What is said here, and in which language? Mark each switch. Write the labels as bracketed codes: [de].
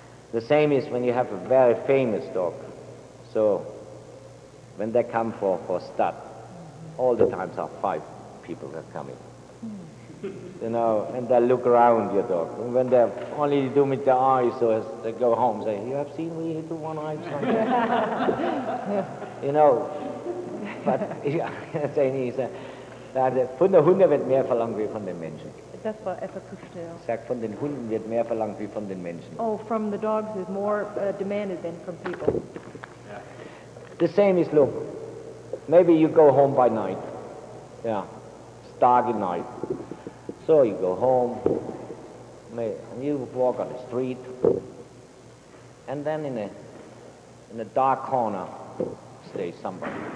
[en] The same is when you have a very famous dog. So, when they come for stud, all the times are 5 people that come in. You know, and they look around your dog. And when they only do with their eyes, so as they go home, say, you have seen me hit one eye somewhere. You know, but saying he's a. [de] Von den Hunden wird mehr verlangt wie von den Menschen. Das war etwas zu schnell. Sagt, von den Hunden wird mehr verlangt wie von den Menschen. [en] Oh, from the dogs is more demanded than from people. Yeah. The same is, look, maybe you go home by night. Yeah, it's dark at night. So you go home, and you walk on the street, and then in a dark corner stays somebody.